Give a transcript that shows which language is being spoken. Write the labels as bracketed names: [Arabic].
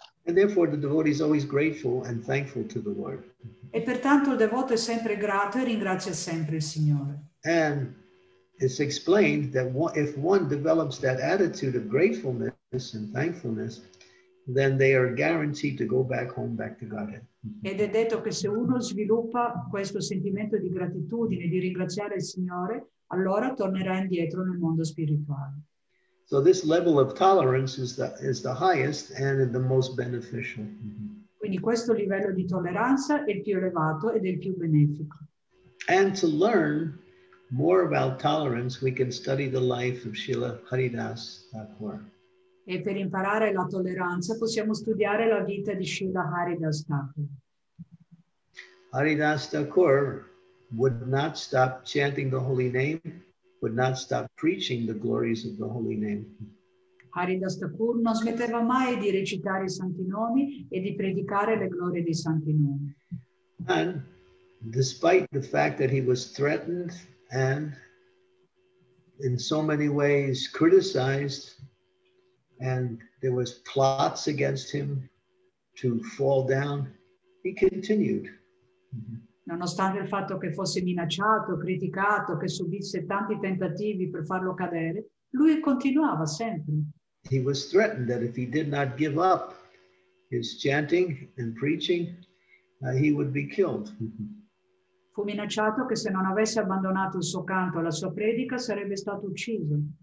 [English] And therefore the devotee is always grateful and thankful to the Lord. [Italian] E pertanto il devoto è sempre grato e ringrazia sempre il Signore. [English] And it's explained that if one develops that attitude of gratefulness and thankfulness, then they are guaranteed to go back home, back to Godhead. [Italian] Ed è detto che se uno sviluppa questo sentimento di gratitudine, di ringraziare il Signore, allora tornerà indietro nel mondo spirituale. [English] So this level of tolerance is the highest and the most beneficial. [Italian] Quindi questo livello di tolleranza è il più elevato ed è il più benefico. [English] And to learn more about tolerance, we can study the life of Srila Haridas Thakur. [Italian] E per imparare la tolleranza possiamo studiare la vita di Srila Haridas Thakur. [English] Haridas Thakur would not stop chanting the holy name, would not stop preaching the glories of the holy name. [Italian] Haridas Thakur non smetteva mai di recitare i santi nomi e di predicare le glorie dei santi nomi. [English] And despite the fact that he was threatened and in so many ways criticized, and there was plots against him to fall down, he continued. [Italian] Nonostante il fatto che fosse minacciato, criticato, che subisse tanti tentativi per farlo cadere, lui continuava sempre. [English] He was threatened that if he did not give up his chanting and preaching, he would be killed. [Italian] Fu minacciato che se non avesse abbandonato il suo canto, la sua predica, sarebbe stato ucciso.